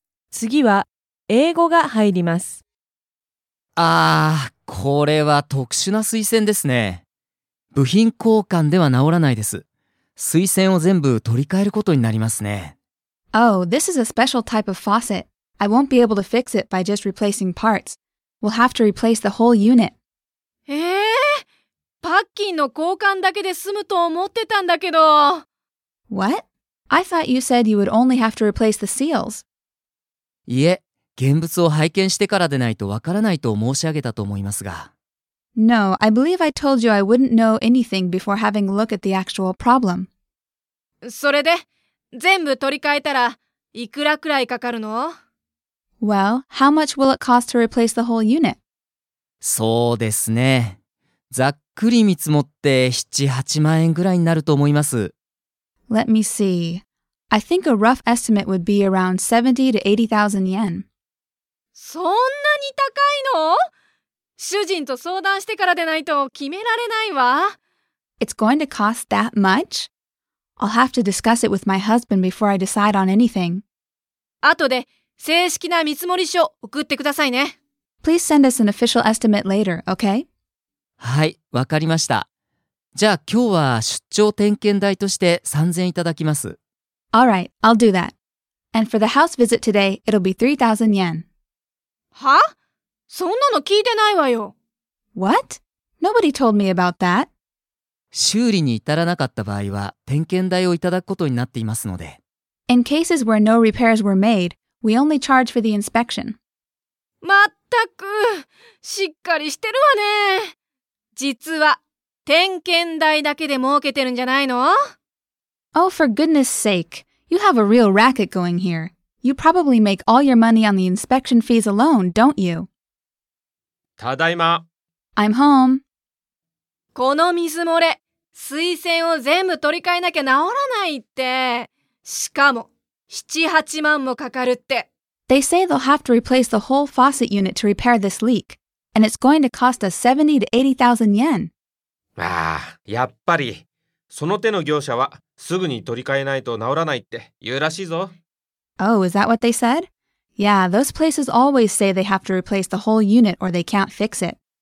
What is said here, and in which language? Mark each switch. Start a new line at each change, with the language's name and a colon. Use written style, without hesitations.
Japanese: 次は英語が入ります。ああ、これは特殊な水栓ですね。部品交換では直らないです。水栓を全部取り替えることになりますね。
English: Oh, this is a special type of faucet. I won't be able to fix it by just replacing parts. We'll have to replace the whole unit.
Japanese: パッキンの交換だけで済むと思ってたんだけど。
English: What? I thought you said you would only have to replace the seals.
Japanese: いえ、現物を拝見してからでないとわからないと申し上げたと思いますが。
English: No, I believe I told you I wouldn't know anything before having a look at the actual problem.
Japanese: それで、全部取り替えたらいくらくらいかかるの？
English: Well, how much will it cost to replace the whole unit?
Japanese: そうですね。ざっくり見積もって7、8万円ぐらいになると思います。
English: Let me see. I think a rough estimate would be around 70,000 to 80,000 yen.
Japanese: そんなに高いの？主人と相談してからでないと決められないわ。
English: It's going to cost that much? I'll have to discuss it with my husband before I decide on anything.
Japanese: 後で正式な見積書送ってくださいね。
English: Please send us an official estimate later, okay?
Japanese: はい、わかりました。じゃあ今日は出張点検代として3000いただきます。
English: All right, I'll do that. And for the house visit today, it'll be 3,000 yen.
Japanese: は？そんなの聞いてないわよ。
English: What? Nobody told me about that.
Japanese: 修理に至らなかった場合は、点検代をいただくことになっていますので。
English: In cases where no repairs were made, we only charge for the inspection.
Japanese: まったく、しっかりしてるわね。実は、点検代だけで儲けてるんじゃないの？
English: Oh, for goodness sake. You have a real racket going here. You probably make all your money on the inspection fees alone, don't you?
Japanese: ただいま。
English: I'm home.
Japanese: この水漏れ、水栓を全部取り替えなきゃ直らないって。しかも、7、8万もかかるって。
English: They say they'll have to replace the whole faucet unit to repair this leak. And it's going to cost us 70 to 80,000 yen.
Japanese: ああ、やっぱり。その手の業者は、すぐに取り替えないと直らないって言うらしいぞ。
English: Oh, is that what they said? Yeah, those places always say they have to replace the whole unit or they can't fix it.